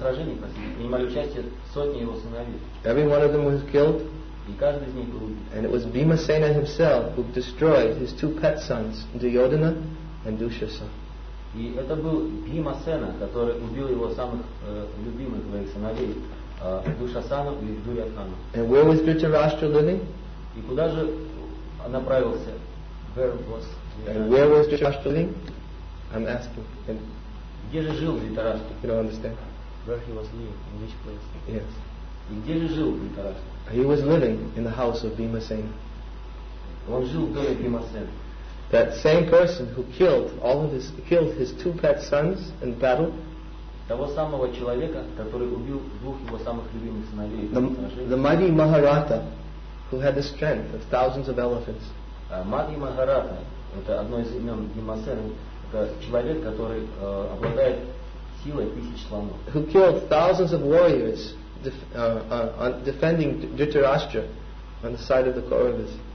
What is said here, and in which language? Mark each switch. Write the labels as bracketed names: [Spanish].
[Russian] В этом сражении принимали участие сотни его сыновей. [English] Every one of them was killed. [Russian] И каждый из них был убит. [English] And it was Bhimasena himself who destroyed his two pet sons, Duryodhana and Dushyasana. [Russian] И это был Бхимасена, который убил его самых любимых своих сыновей, Душасану и Дурьятхану. [English] And where was Dhritarashtra living? [Russian] И куда же направился? [English] Where was? And where was Dhritarashtra living? I'm asking. [Russian] Где же жил Дхритараштра? [English] You don't understand. Where he was living? In which place? Yes. [Russian] И где же жил Дхритараштра? [English] He was living in the house of Bhimasena. [Russian] Он жил в доме Бхимасена. [English] That same person who killed his two pet sons in battle. [Russian] Того самого человека, который убил двух его самых любимых сыновей. [English] The mighty Maharatha, who had the strength of thousands of elephants. [Russian] Мадхи Махарата, это одно из имен Бхимасена. Это человек, который обладает силой тысяч слонов. [English] Who killed thousands of warriors defending Dhritarashtra on the side of the Kauravas.